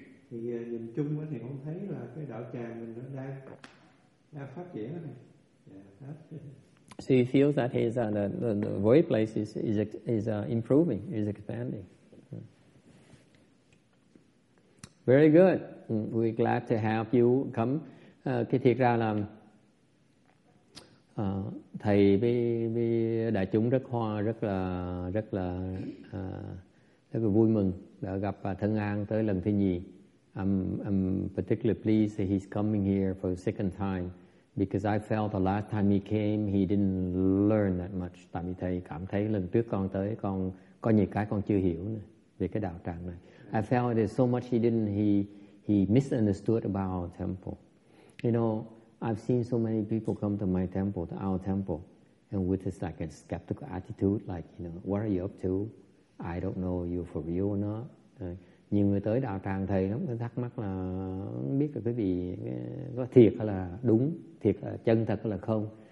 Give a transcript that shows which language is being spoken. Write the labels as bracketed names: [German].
[Vietnamese] Thì nhìn chung á thì con thấy là cái đạo tràng mình nó đang phát triển này. [English] Yeah. So you feel that his the void place is improving, is expanding. Very good. We're glad to have you come. [Vietnamese] Cái thiệt ra là thầy với đại chúng rất là vui mừng đã gặp Thân An tới lần thứ nhì. [English] I'm particularly pleased that he's coming here for the second time because I felt the last time he came he didn't learn that much. [Vietnamese] Tại vì thầy cảm thấy lần trước con tới con có nhiều cái con chưa hiểu nữa về cái đạo tràng này. [English] I felt there's so much he misunderstood about our temple. You know, I've seen so many people come to my temple, to our temple, and with this like a skeptical attitude, like, what are you up to? I don't know you for real or not. [Vietnamese] Nhiều người tới đạo tràng thầy lắm, thắc mắc là không biết là quý vị có thiệt hay là đúng, thiệt là chân thật hay là không.